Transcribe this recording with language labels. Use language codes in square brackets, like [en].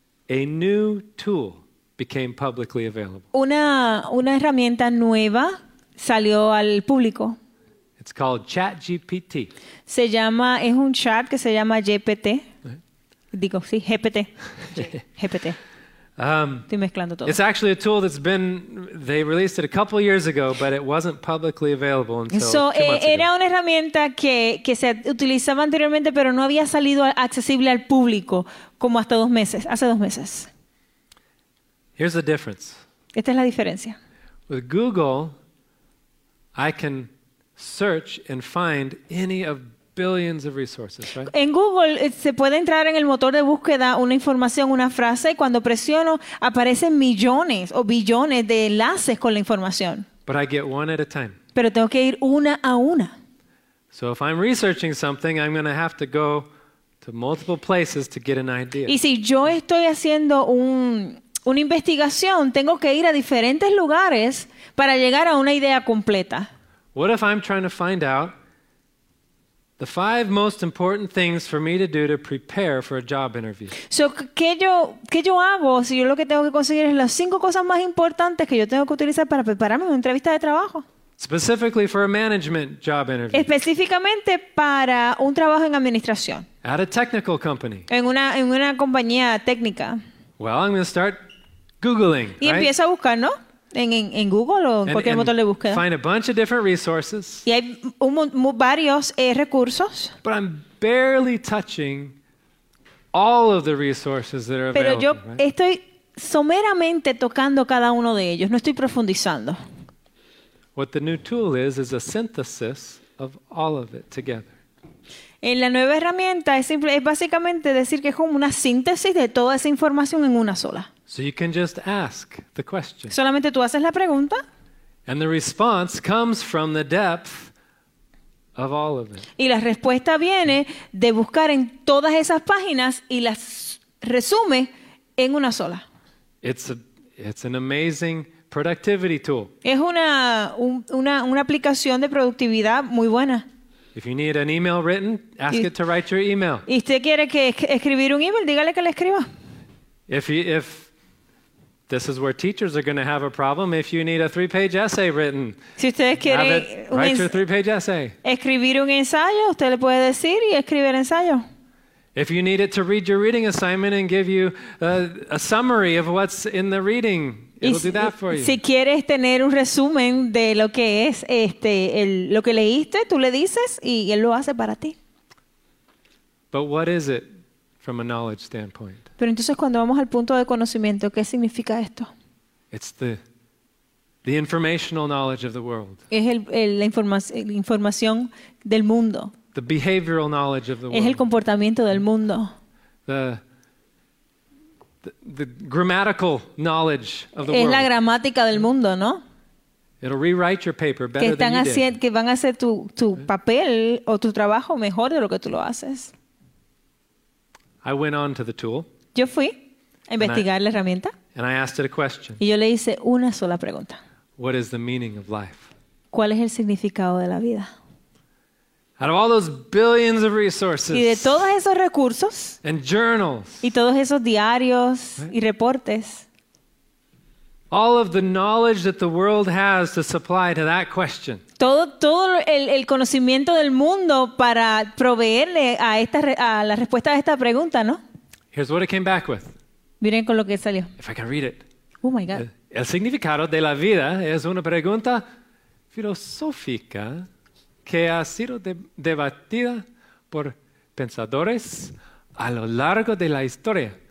[en] a new tool became publicly available. [es] Una herramienta nueva salió al público. [en] It's called ChatGPT. [es] Se llama, es un chat que se llama GPT. Digo, sí, GPT. GPT. Estoy mezclando todo. [en] It's actually a tool that's been, they released it a couple years ago, but it wasn't publicly available until two months ago. [es] Era una herramienta que se utilizaba anteriormente, pero no había salido accesible al público como hasta hace dos meses. [en] Here's the difference. [es] Esta es la diferencia. [en] With Google, I can search and find any of billions of resources, right? [es] En Google se puede entrar en el motor de búsqueda una información, una frase, y cuando presiono aparecen millones o billones de enlaces con la información. [en] But I get one at a time. [es] Pero tengo que ir una a una. [en] So if I'm researching something, I'm going to have to go to multiple places to get an idea. [es] Y si yo estoy haciendo una investigación, tengo que ir a diferentes lugares para llegar a una idea completa. [en] What if I'm trying to find out the five most important things for me to do to prepare for a job interview? [es] So, ¿qué yo hago si yo lo que tengo que conseguir es las cinco cosas más importantes que yo tengo que utilizar para prepararme una entrevista de trabajo? [en] Specifically for a management job interview. [es] Específicamente para un trabajo en administración. [en] At a technical company. [es] En una compañía técnica. [en] Well, I'm going to start Googling, [es] y empiezo a buscar, ¿no? En Google o en cualquier motor de búsqueda. [en] Find a bunch of different resources. [es] Y hay varios recursos. [en] But I'm barely touching all of the resources that are available. [es] Pero yo [en] right? [es] estoy someramente tocando cada uno de ellos. No estoy profundizando. [en] What the new tool is a synthesis of all of it together. [es] En la nueva herramienta es básicamente decir que es como una síntesis de toda esa información en una sola. [en] So you can just ask the question. [es] Solamente tú haces la pregunta. [en] And the response comes from the depth of all of it. [es] Y la respuesta viene de buscar en todas esas páginas y las resume en una sola. [en] It's an amazing productivity tool. [es] Es una aplicación de productividad muy buena. [en] If you need an email written, ask it to write your email. [es] Y usted quiere que escribir un email, dígale que le escriba. [en] If this is where teachers are going to have a problem, if you need a 3-page essay written, [es] si ustedes quieren [en] write your 3-page essay. [es] Escribir un ensayo, usted le puede decir y escribe el ensayo. [en] If you need it to read your reading assignment and give you a summary of what's in the reading, it'll do that for you. [es] Si quieres tener un resumen de lo que es lo que leíste, tú le dices y él lo hace para ti. [en] But what is it from a knowledge standpoint? [es] Pero entonces cuando vamos al punto de conocimiento, ¿qué significa esto? [en] It's the informational knowledge of the world. [es] Es la información del mundo. [en] The behavioral knowledge of the world. [es] Es el comportamiento del mundo. [en] The grammatical knowledge of the [es] es [en] world. [es] Es la gramática del mundo, ¿no? [en] It'll rewrite your paper better than you did. [es] Que van a hacer tu papel o tu trabajo mejor de lo que tú lo haces. [en] I went on to the tool. [es] Yo fui a investigar la herramienta. [en] And I asked it a question. [es] Y yo le hice una sola pregunta. [en] What is the meaning of life? [es] ¿Cuál es el significado de la vida? [en] Out of all those billions of resources. [es] Y de todos esos recursos. [en] And journals. [es] Y todos esos diarios y reportes. [en] All of the knowledge that the world has to supply to that question. [es] Todo el conocimiento del mundo para proveerle a la respuesta a esta pregunta, ¿no? [en] Here's what it came back with. [es] Miren con lo que salió. [en] If I can read it. Oh my God. [es] El significado de la vida es una pregunta filosófica que ha sido debatida por pensadores a lo largo de la historia.